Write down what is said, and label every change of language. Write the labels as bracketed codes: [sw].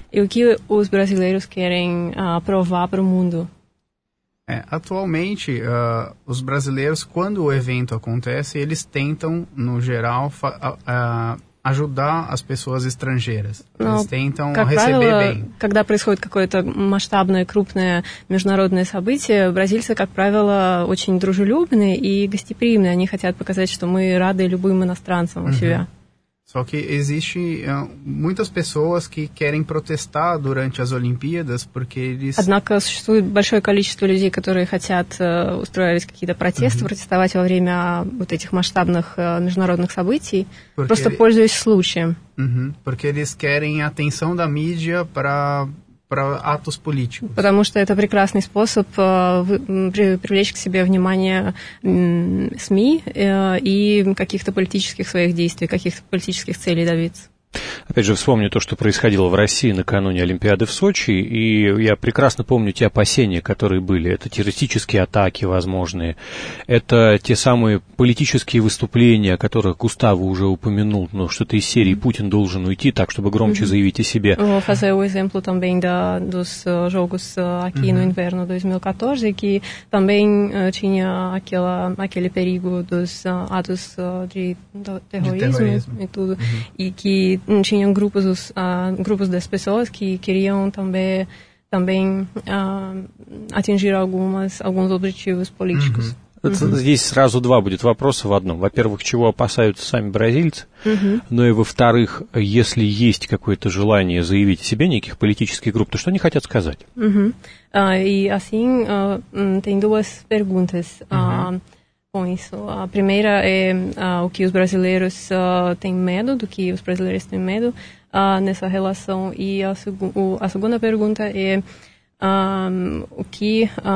[pt] И o que os brasileiros querem provar para o mundo? Atualmente, os brasileiros, quando o evento acontece, eles tentam, no geral, ajudar as pessoas estrangeiras. Eles tentam receber bem. [ru] Когда происходит какое-то масштабное, крупное международное событие, бразильцы, как правило, очень дружелюбные и гостеприимные. Они хотят показать, что мы рады любым иностранцам у себя. [pt] Só que existe muitas pessoas que querem protestar durante as Olimpíadas porque eles... [ru] Однако существует большое количество людей, которые хотят устроить какие-то протесты, протестовать во время вот этих масштабных международных событий, просто пользуясь случаем. [pt] Porque eles querem atenção da mídia para atos políticos. [ru] Потому что это прекрасный способ привлечь к себе внимание СМИ и каких-то политических своих действий, каких-то политических целей добиться. опять же, вспомню то, что происходило в России накануне Олимпиады в Сочи, и я прекрасно помню те опасения, которые были. Это террористические атаки возможные, это те самые политические выступления, о которых Густаво уже упомянул, но что-то из серии «Путин должен уйти так, чтобы громче заявить о себе». [pt] Fazer o exemplo também dos jogos aqui no inverno 2014, que também tinha aquele perigo dos atos de terrorismo e tudo, e que tinham grupos das pessoas que queriam também atingir alguns objetivos políticos. [ru] Здесь сразу два будет вопроса в одном. Во-первых, чего опасаются сами бразильцы, но и во-вторых, если есть какое-то желание заявить о себе неких политических групп, то что они хотят сказать? [pt] И assim, tem duas perguntas com isso. A primeira é o que os brasileiros têm medo, do que os brasileiros têm medo nessa relação. E a segunda pergunta é o que...